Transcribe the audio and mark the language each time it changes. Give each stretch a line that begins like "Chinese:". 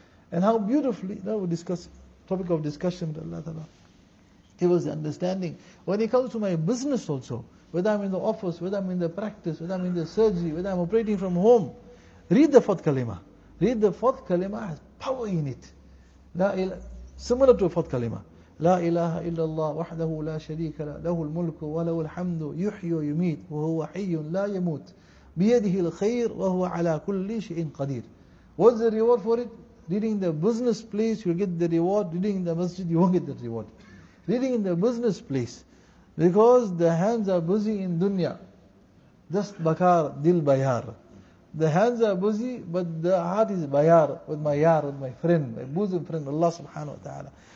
English: And how beautifully, now we discuss, topic of discussion with Allah Ta'ala. Give us the understanding. When it comes to my business also, whether I'm in the office, whether I'm in the practice, whether I'm in the surgery, whether I'm operating from home, read the fourth kalima. Read the fourth kalima, has power in it. Similar to a fourth kalima.
Arabic: لا إله إلا الله وحده لا شريك له له الملك وله الحمد يحيي ويميت وهو حي لا يموت بيده الخير وهو على كل شيء قدير.
English: What's the reward for it? Reading the business place, you'll get the reward. Reading the masjid, you won't get the reward. Reading in the business place, because the hands are busy in dunya. Just
Persian: bakar dil bayar.
English: The hands are busy, but the heart is bayar with my yar, with my friend, my bosom friend, Allah subhanahu wa ta'ala.